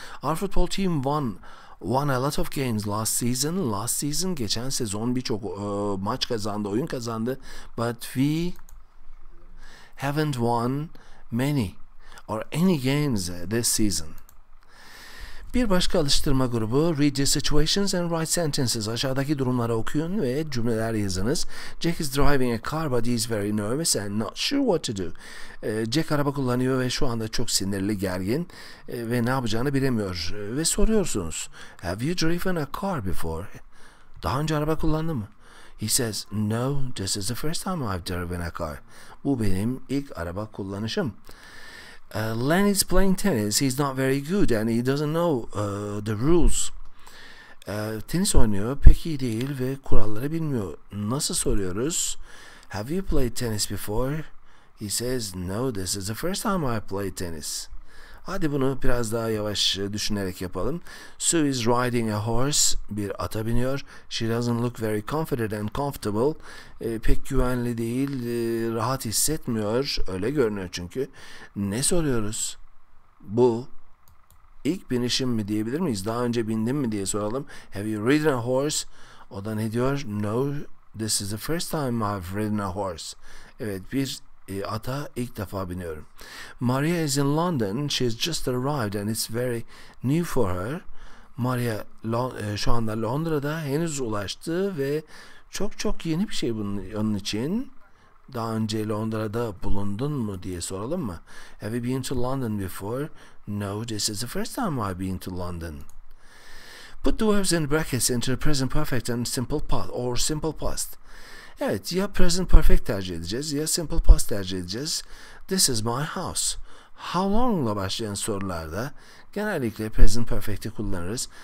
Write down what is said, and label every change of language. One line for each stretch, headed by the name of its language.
English: Our football team won a lot of games last season,
Turkish: geçen sezon birçok maç kazandı, oyun kazandı,
English: but we haven't won many or any games this season.
Turkish: Bir başka alıştırma grubu,
English: read the situations and write sentences.
Turkish: Aşağıdaki durumları okuyun ve cümleler yazınız.
English: Jack is driving a car, but he's very nervous and not sure what to do.
Turkish: Jack araba kullanıyor ve şu anda çok sinirli, gergin ve ne yapacağını bilemiyor. Ve soruyorsunuz,
English: have you driven a car before?
Turkish: Daha önce araba kullandın mı?
English: He says, no, this is the first time I've driven a car.
Turkish: Bu benim ilk araba kullanışım.
English: Len is playing tennis. He's not very good and he doesn't know the rules.
Turkish: Tenis oynuyor, pek iyi değil ve kuralları bilmiyor. Nasıl soruyoruz?
English: Have you played tennis before? He says, no, this is the first time I played tennis.
Turkish: Hadi bunu biraz daha yavaş düşünerek yapalım.
English: Sue is riding a horse.
Turkish: Bir ata biniyor.
English: She doesn't look very confident and comfortable.
Turkish: Pek güvenli değil, rahat hissetmiyor. Öyle görünüyor çünkü. Ne soruyoruz? Bu ilk binişim mi diyebilir miyiz? Daha önce bindim mi diye soralım.
English: Have you ridden a horse?
Turkish: O da ne diyor?
English: No, this is the first time I've ridden a horse.
Turkish: Evet, bir ata ilk defa biniyorum.
English: Maria is in London. She's just arrived and it's very new for her.
Turkish: Maria şu anda Londra'da, henüz ulaştı ve çok yeni bir şey bunun onun için. Daha önce Londra'da bulundun mu diye soralım mı?
English: Have you been to London before? No, this is the first time I've been to London. Put the verbs in brackets into the present perfect and simple past or simple past.
Turkish: Evet, ya present perfect tercih edeceğiz ya simple past tercih edeceğiz.
English: This is my house.
Turkish: How long ile başlayan sorularda genellikle present perfect'i kullanırız.